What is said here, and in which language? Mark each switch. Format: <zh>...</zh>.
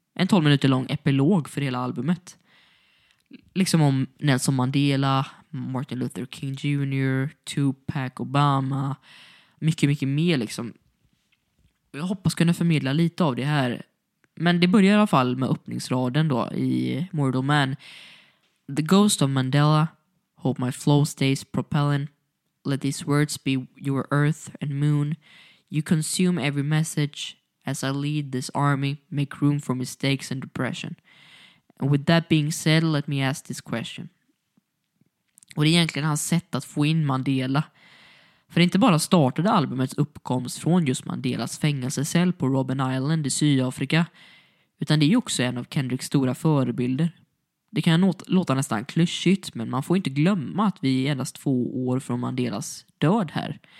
<sv>En 12 minuter lång epilog för hela albumet. Liksom om Nelson Mandela, Martin Luther King Jr., Tupac, Obama. Mycket, mycket mer liksom. Jag hoppas kunna förmedla lite av det här. Men det börjar i alla fall med öppningsraden då i Mortal Man.</sv> <en>The ghost of Mandela, hope my flow stays propelling. Let these words be your earth and moon. You consume every message. As I lead this army, make room for mistakes and depression. And with that being said, let me ask this question.</en> <sv>Och det är egentligen hans sätt att få in Mandela. För inte bara startade albumets uppkomst från just Mandelas fängelsecell på Robben Island i Sydafrika, utan det är ju också en av Kendricks stora förebilder. Det kan låta nästan klyschigt, men man får inte glömma att vi är endast 2 år från Mandelas död här.</sv>